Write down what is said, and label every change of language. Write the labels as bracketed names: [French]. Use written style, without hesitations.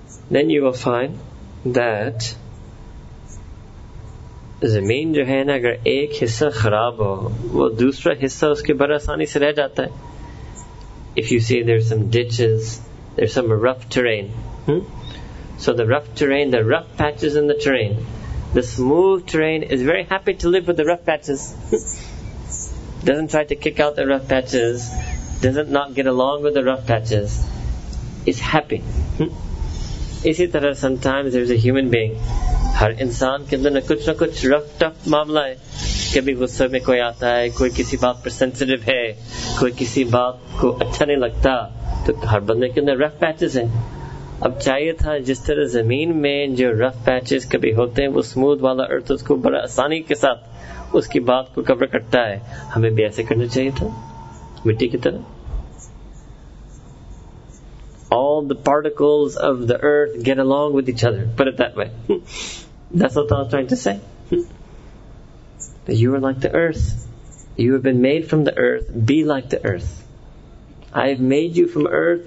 [English] Then you will find that [Urdu] زمین جو ہے نا, اگر ایک حصہ خراب ہو, وہ دوسرا حصہ اس کے بڑے آسانی سے رہ جاتا ہے. [English] If you see there's some ditches, there's some rough terrain. So the rough terrain, the rough patches in the terrain, the smooth terrain is very happy to live with the rough patches. Doesn't try to kick out the rough patches, doesn't not get along with the rough patches. It's happy. [Urdu] اسی طرح [English] sometimes there is a human being, [Urdu] ہر انسان کے اندر کچھ نہ کچھ رف tough معاملہ ہے. کبھی غصے میں کوئی آتا ہے, کوئی کسی بات پر سینسیٹیو ہے, کوئی کسی بات کو اچھا نہیں لگتا, تو ہر بندے کے اندر رف پیچز ہیں. اب چاہیے تھا جس طرح زمین میں جو رف پیچز کبھی ہوتے ہیں, وہ اسموتھ والا ارتھ اس کو بڑا آسانی کے ساتھ اس کی بات کو کور کرتا ہے, ہمیں بھی ایسے کرنا چاہیے تھا مٹی کی طرح. [English] All the particles of the earth get along with each other. Put it that way. That's what I was trying to say. That you are like the earth. You have been made from the earth. Be like the earth. I have made you from earth.